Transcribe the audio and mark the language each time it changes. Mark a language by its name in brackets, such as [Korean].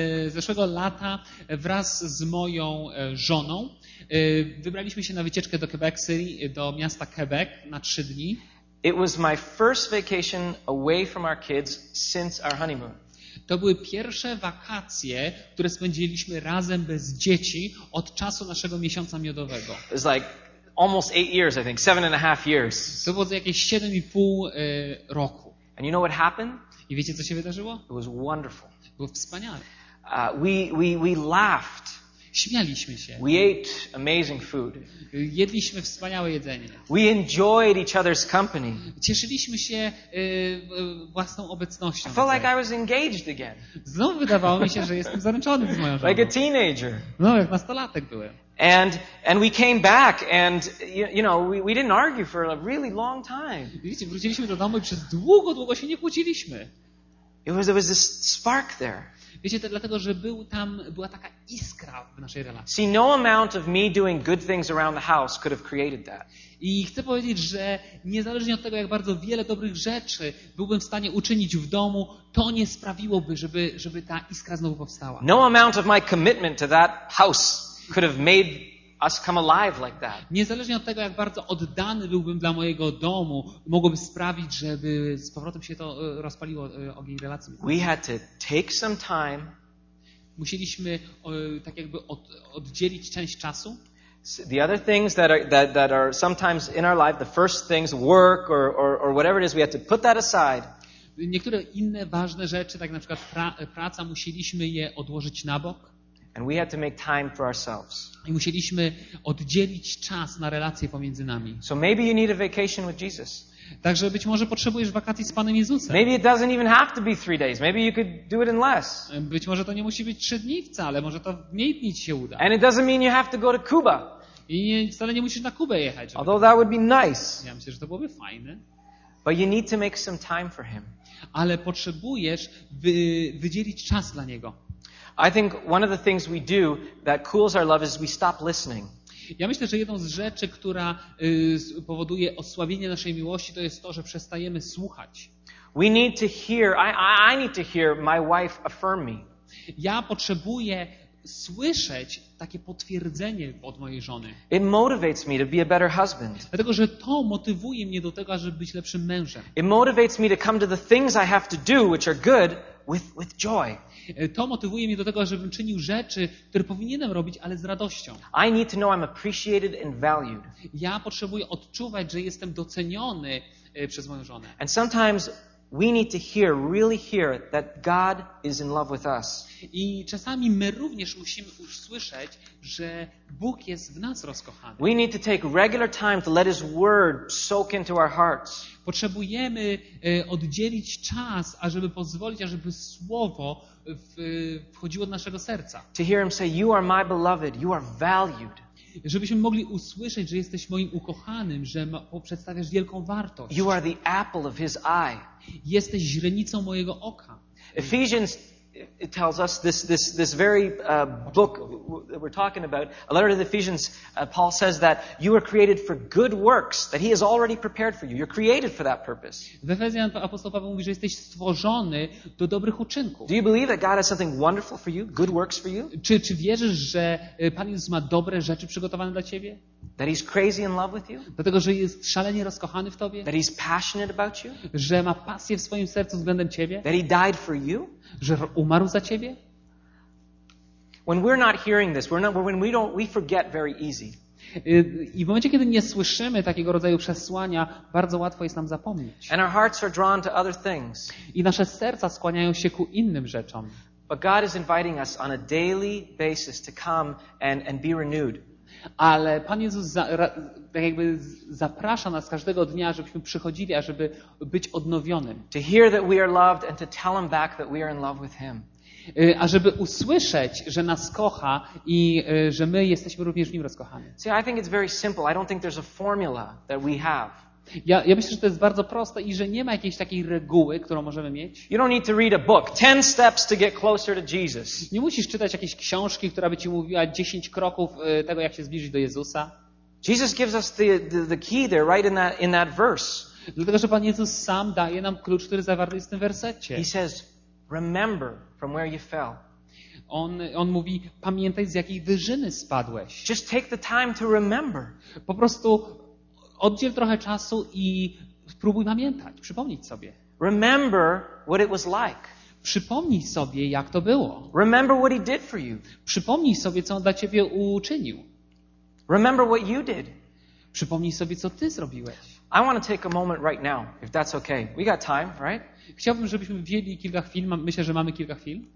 [Polish] Zeszłego lata wraz z moją żoną wybraliśmy się na wycieczkę do Quebec City, do miasta Quebec na 3 dni. [English] It was my first vacation away from our kids since our honeymoon. [Polish] To były pierwsze wakacje, które spędziliśmy razem bez dzieci od czasu naszego miesiąca miodowego. [English] It's like almost 8 years, I think, 7.5 years. [Polish] To było jakieś 7,5 roku. [English] And you know what happened? [Polish] I wiecie, co się wydarzyło? [English] It was wonderful. [Polish] Było wspaniale. [English] We laughed. [Polish] Śmialiśmy się. [English] We ate amazing food. [Polish] Jedliśmy wspaniałe jedzenie. [English] We enjoyed each other's company. [Polish] Cieszyliśmy się własną obecnością. [English] I felt like I was engaged again. [Polish] Znowu wydawało mi się, że jestem zaręczony z moją żoną. [English] Like a teenager. [Polish] No, jak nastolatek byłem. [English] And we came back and you know we didn't argue for a really long time. [Polish] Widzicie, wróciliśmy do domu i przez długo, długo się nie kłóciliśmy. [English] It was this spark there. [Polish] Wiecie, to dlatego, że był tam, była taka iskra w naszej relacji. [English] See, no amount of me doing good things around the house could have created that. [Polish] I chcę powiedzieć, że niezależnie od tego, jak bardzo wiele dobrych rzeczy byłbym w stanie uczynić w domu, to nie sprawiłoby, żeby ta iskra znowu powstała. [English] No amount of my commitment to that house could have made us come alive like that. [Polish] Niezależnie od tego, jak bardzo oddany byłbym dla mojego domu, mogłoby sprawić, żeby z powrotem się to rozpaliło ogień relacji. [English] We had to take some time. [Polish] Musieliśmy tak jakby oddzielić część czasu. [English] The other things that are sometimes in our life, the first things, work or whatever it is, we had to put that aside. [Polish] Niektóre inne ważne rzeczy, tak na przykład praca, musieliśmy je odłożyć na bok. [English] And we had to make time for ourselves. [Polish] I musieliśmy oddzielić czas na relacje pomiędzy nami. [English] So maybe you need a vacation with Jesus. [Polish] Także być może potrzebujesz wakacji z Panem Jezusem. [English] Maybe it doesn't even have to be 3 days. Maybe you could do it in less. [Polish] Być może to nie musi być 3 dni wcale, może to mniej dni się uda. [English] And it doesn't mean you have to go to Cuba. [Polish] I nie, wcale nie musisz na Kubę jechać. [English] Although that would be nice. [Polish] Ja myślę, że to byłoby fajne. [English] But you need to make some time for him. [Polish] Ale potrzebujesz wydzielić czas dla niego. [English] I think one of the things we do that cools our love is we stop listening. [Polish] Ja myślę, że jedną z rzeczy, która powoduje osłabienie naszej miłości, to jest to, że przestajemy słuchać. [English] We need to hear. I need to hear my wife affirm me. [Polish] Ja potrzebuję słyszeć takie potwierdzenie od mojej żony. [English] It motivates me to be a better husband. [Polish] Dlatego, że to motywuje mnie do tego, żeby być lepszym mężem. [English] It motivates me to come to the things I have to do, which are good, with joy. [Polish] To motywuje mnie do tego, żebym czynił rzeczy, które powinienem robić, ale z radością. [English] I need to know I'm appreciated and valued. [Polish] Ja potrzebuję odczuwać, że jestem doceniony przez moją żonę. [English] And sometimes we need to hear, really hear that God is in love with us. [Polish] I czasami my również musimy usłyszeć, że Bóg jest w nas rozkochany. [English] We need to take regular time to let his word soak into our hearts. [Polish] Potrzebujemy oddzielić czas, ażeby pozwolić, ażeby słowo wchodziło do naszego serca. [English] To hear him say, you are my beloved, you are valued. [Polish] Żebyśmy mogli usłyszeć, że jesteś moim ukochanym, że przedstawiasz wielką wartość. [English] You are the apple of his eye. [Polish] Jesteś źrenicą mojego oka. [English] Ephesians tells us this very book that we're talking about, a letter to the Ephesians, Paul says that you are created for good works, that he has already prepared for you. You're created for that purpose. [Polish] W Efezjan apostoł Paweł mówi, że jesteś stworzony do dobrych uczynków. [English] Do you believe that God has something wonderful for you, good works for you? [Polish] Czy wierzysz, że Pan Jezus ma dobre rzeczy przygotowane dla ciebie? [English] That he's crazy in love with you? [Polish] Dlatego, że jest szalenie rozkochany w tobie? [English] That he's passionate about you? [Polish] Że ma pasję w swoim sercu względem ciebie? [English] That he died for you? [Polish] Że umarł za ciebie? [English] When we're not hearing this, when we forget very easy. [Polish] I w momencie, kiedy nie słyszymy takiego rodzaju przesłania, bardzo łatwo jest nam zapomnieć. [English] And our hearts are drawn to other things. [Polish] I nasze serca skłaniają się ku innym rzeczom. [English] But God is inviting us on a daily basis to come and be renewed. [Polish] Ale Pan Jezus jakby zaprasza nas każdego dnia, żebyśmy przychodzili, ażeby być odnowionym. [English] To hear that we are loved and to tell him back that we are in love with him. [Polish] Ażeby usłyszeć, że nas kocha i że my jesteśmy również w nim rozkochani. [English] See, I think it's very simple. I don't think there's a formula that we have. [Polish] Ja myślę, że to jest bardzo proste i że nie ma jakiejś takiej reguły, którą możemy mieć. [English] You don't need to read a book. 10 steps to get closer to Jesus. [Polish] Nie musisz czytać jakiejś książki, która by ci mówiła 10 kroków tego, jak się zbliżyć do Jezusa. [English] Jesus gives us the key there, right in that verse. [Polish] Dlatego, że Pan Jezus sam daje nam klucz, który zawarty jest w tym wersecie. [English] He says, remember from where you fell. [Polish] On mówi, pamiętaj, z jakiej wyżyny spadłeś. [English] Just take the time to remember. [Polish] Po prostu oddziel trochę czasu i spróbuj pamiętać, przypomnieć sobie. [English] Remember what it was like. [Polish] przypomnij sobie, jak to było. [English] Remember what he did for you. [Polish] Przypomnij sobie, co on dla ciebie uczynił. [English] Remember what you did. [Polish] Przypomnij sobie, co ty zrobiłeś. [English] I want to take a moment right now, if that's okay. We got time, right? [Polish] Chciałbym, żebyśmy wzięli kilka chwil. Myślę, że mamy kilka chwil.